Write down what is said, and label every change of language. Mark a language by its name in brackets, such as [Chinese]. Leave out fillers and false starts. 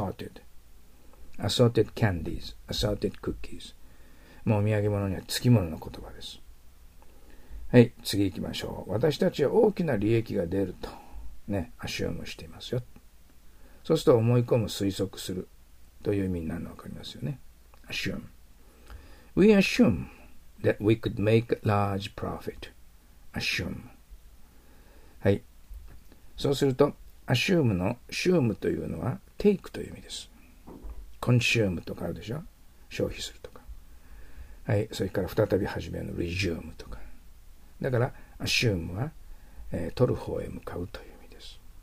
[English] Assorted。 Assorted candies。 Assorted cookies。 [Japanese] もうお土産物には付き物の言葉です。はい、次行きましょう。私たちは大きな利益が出ると、ね、アシュームしていますよ。そうすると思い込む、推測するという意味になるのわかりますよね。アシューム。 [English] We assume that we could make a large profit. [Japanese] アシューム。はい。そうすると、アシュームの、シュームというのは、テイクという意味です。コンシュームとかあるでしょ？消費するとか。はい。それから、再び始めの、リジュームとか。だから、アシュームは、取る方へ向かうという意味です。